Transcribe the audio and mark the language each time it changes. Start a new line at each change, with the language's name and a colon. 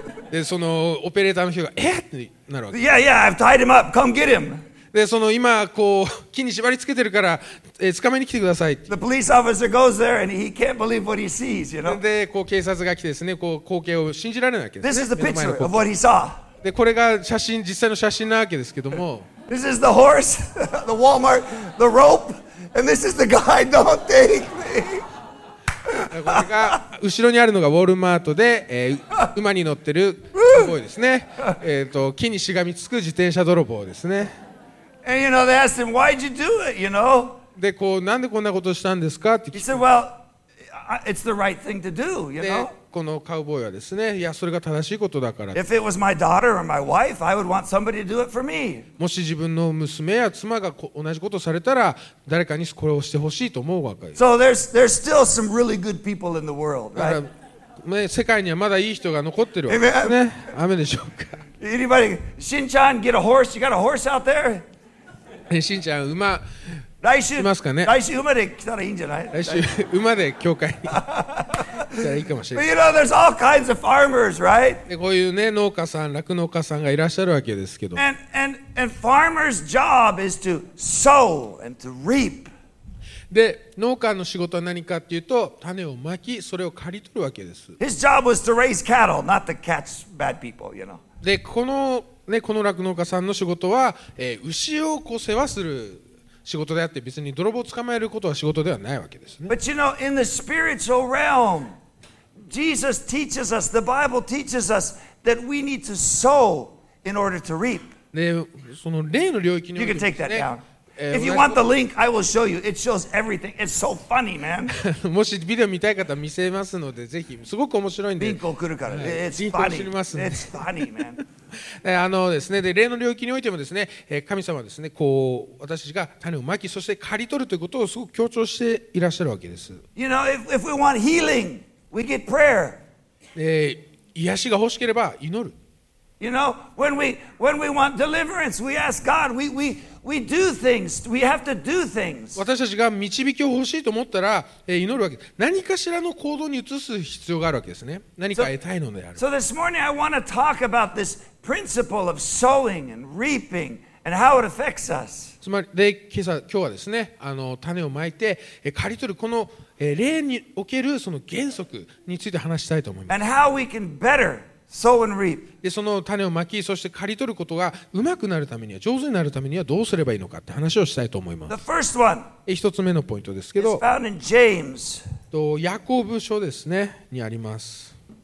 Japanese: で、そのオペレーターの人が、って。
English: Yeah, I've tied him up. Come get him.
Japanese: で、その今こう木に縛り付けてるから、捕まえに来てください。
English: The police officer goes there and he can't believe what he sees, you know.
Japanese: で、こう警察が来てですね、こう光景を信じられないわけです。
English: This is the picture of what he saw.
Japanese: で、これが写真、実際の写真なわけですけども。
English: This is the horse, the Walmart, the rope, and this is the guy. Don't take me.
Japanese: これが後ろにあるのがウォルマートで、馬に乗ってる。すごいですね。木にしがみつく自転車泥棒ですね。
English: And you know, they asked him, why'd you do it, you know?
Japanese: で、こう、なんでこんなことしたんですかって聞いて。
English: He said, well, it's the right thing to do, you know?
Japanese: で、このカウボーイはですね、いや、それが正しいことだから。
English: If it was my daughter or my wife, I would want somebody to do it for me.
Japanese: もし自分の娘や妻が同じことされたら、誰かにこれをしてほしいと思うわけです。
English: So there's still some really good people in the world, right?
Japanese: 世界にはまだいい人が残ってるわけですね。雨でしょうか。
English: Anybody, Shin-chan, get a horse. You got a horse out there?
Japanese: Shin-chan, 馬、来週、いますかね、来週馬で来たらいいんじゃない？来週馬で教会に来たらいいかもしれない。
English: But you know, there's all kinds of farmers, right?
Japanese: こういうね、農家さん、酪農家さんがいらっしゃるわけですけど。
English: And farmer's job is to sow and to reap.
Japanese: で、農家の仕事は何かっていうと、種をまき、それを刈り取るわけです。
English: His job was to raise cattle, not to catch bad people, you know.
Japanese: で、このね、この酪農家さんの仕事は、牛をこう世話する仕事であって別に泥棒を捕まえることは仕事ではないわけですね。
English: But you know, in the spiritual realm, Jesus teaches us, the Bible teaches us that we need to sow in order to reap.
Japanese: で、その霊の領域に、ね、
English: You can take that down. If you want the link, I will show you. It shows everything. It's so funny, man.
Japanese: もしビデオ見たい方は見せますのでぜひ、すごく面白いんで。リンク送るから。はい、
English: It's funny. It's funny, man.
Japanese: あのですね、で霊の領域においてもですね、神様はですね、こう私たちが種をまき、そして刈り取るということをすごく強調していらっしゃるわけです。
English: You know, if we want healing, we get prayer.
Japanese: 癒しが欲しければ祈る。
English: You know, when we want deliverance, we ask God. We do things. We have to do things.
Japanese: 私たちが導きを欲しいと思ったら、祈るわけです。何かしらの行動に移す必要があるわけですね。何か得たいのである。
English: So this morning I want to talk about this. Principle of sowing and reaping and how it affects us.
Japanese: つまりで今日はですね、種をまいて刈り取るこの霊におけるその原則について話したいと思います。
English: And how we can better sow and reap.
Japanese: でその種をまき、そして刈り取ることがうまくなるためには、上手になるためにはどうすればいいのかって話をしたいと思います。
English: The first one.
Japanese: 一つ目のポイントですけど、
English: is found in James.
Japanese: とヤコブ書ですねにあります。